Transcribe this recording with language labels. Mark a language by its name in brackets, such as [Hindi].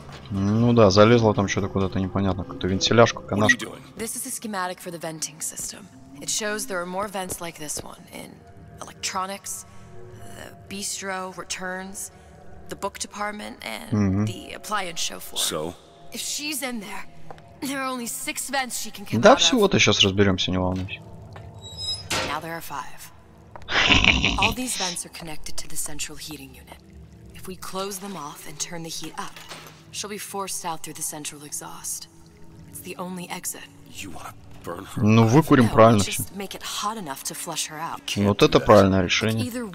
[Russian] Ну да, залезла там что-то куда-то непонятно, какую-то вентиляшку, канашку. [English] It shows there are more vents like this one in electronics, the bistro, returns, the book department, and the appliance show floor. So, if she's in there, there are only six vents she can come out of. [Russian] Да всего-то сейчас разберемся, не волнуйся. [English] Now there are five. All these vents are connected to the central heating unit. If we close them off and turn the heat up, she'll be forced out through the central exhaust. It's the only exit. You want to. [Russian] Ну, выкурим правильно все. Вот это правильное решение.